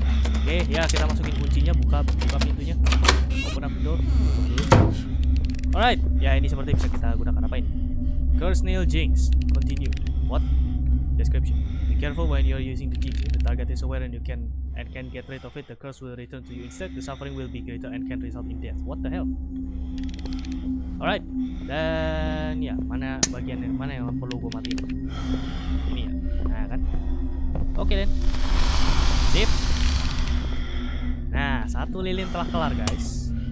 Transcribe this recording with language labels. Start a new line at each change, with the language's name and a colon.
Indonesian: Oke, ya kita masukin kuncinya, buka pintunya.
English: Open up door.
Indonesian: Alright, ya ini seperti bisa kita gunakan apa ini?
English: Curse Nail Jinx. Continue. What? Description. Be careful when you're using the jinx. If the target is aware and you can and can get rid of it, the curse will return to you. Instead, the suffering will be greater and can result in death. What the hell? Alright.
Indonesian: Dan ya, mana bagian yang mana yang perlu gua mati? Ini ya. Nah kan?
English: Okay then.
Indonesian: Sip. Nah, satu lilin telah kelar guys.